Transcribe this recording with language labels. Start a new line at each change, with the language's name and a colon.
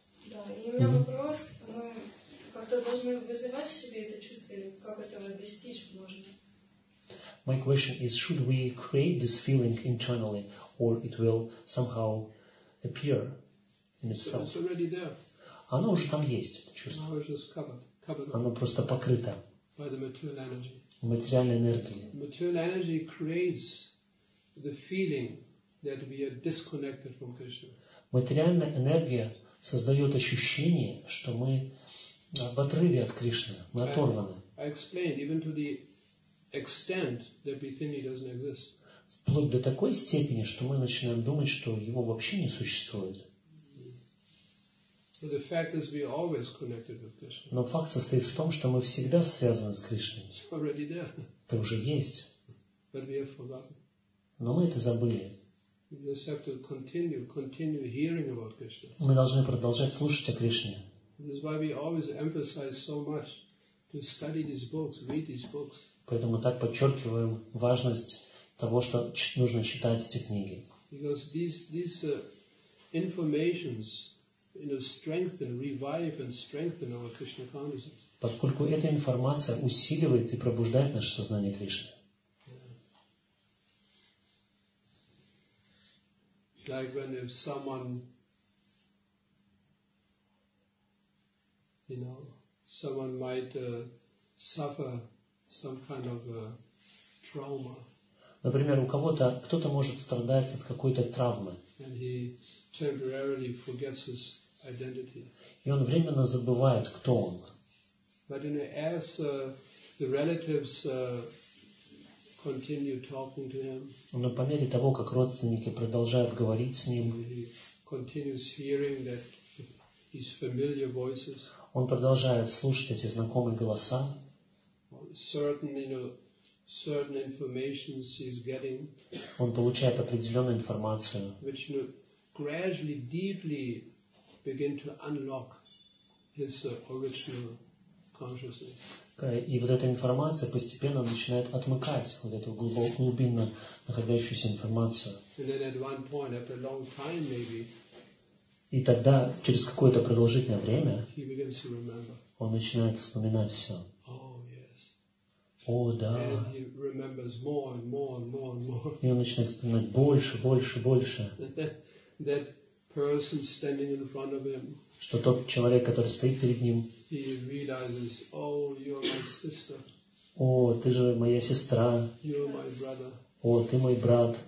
Russian: Да, и у меня вопрос, мы как-то должны вызывать в себе это чувство, или как этого достичь можно?
English: My question is, should we create this feeling internally, or it will somehow appear in itself? It's already there.
Russian: Оно уже там есть, это чувство.
English: Now it's just covered.
Russian: Оно просто покрыто.
English: By the material energy.
Russian: Материальной энергией.
English: Material energy creates the feeling that we are disconnected from Krishna.
Russian: Материальная энергия создает ощущение, что мы в отрыве от Кришны, мы оторваны.
English: I explained, even to the extent that we think he doesn't exist.
Russian: вплоть до такой степени, что мы начинаем думать, что его вообще не существует.
English: But the fact is we always connected with Krishna.
Russian: Но факт состоит в том, что мы всегда связаны с Кришной.
English: It's already there.
Russian: Это уже есть.
English: But we have forgotten.
Russian: Но мы это забыли.
English: We just have to continue hearing about Krishna.
Russian: Мы должны продолжать слушать о Кришне.
English: That is why we always emphasize so much to study these books, read these books.
Russian: Поэтому так подчеркиваем важность того, что нужно читать эти книги.
English: Because these informations, you know, strengthen, revive and strengthen our Krishna consciousness.
Russian: Поскольку эта информация усиливает и пробуждает наше сознание Кришны.
English: Like when if someone, you know, someone might suffer some kind of trauma.
Russian: Например, у кого-то, кто-то может страдать от какой-то травмы.
English: And he temporarily forgets his identity.
Russian: И он временно забывает, кто он.
English: But you know, as the relatives continue talking to him,
Russian: но по мере того, как родственники продолжают говорить с ним,
English: he continues hearing that his familiar voices,
Russian: он продолжает слушать эти знакомые голоса,
English: certain, you know, certain information he's getting,
Russian: он получает определенную информацию,
English: which, you know, gradually, deeply begin to unlock his original consciousness.
Russian: И вот эта информация постепенно начинает отмыкать вот эту глубинно находящуюся информацию.
English: And then at one point, after a long time maybe,
Russian: и тогда, через какое-то продолжительное время,
English: he begins to remember.
Russian: Он начинает вспоминать все.
English: Oh, yes.
Russian: О, да.
English: And he remembers more and more and more and more.
Russian: И он начинает вспоминать больше, больше, больше.
English: That person standing in front of him,
Russian: что тот человек, который стоит перед ним,
English: he realizes, oh, you're my sister.
Russian: О, ты же моя сестра.
English: You're my brother.
Russian: О, ты мой брат.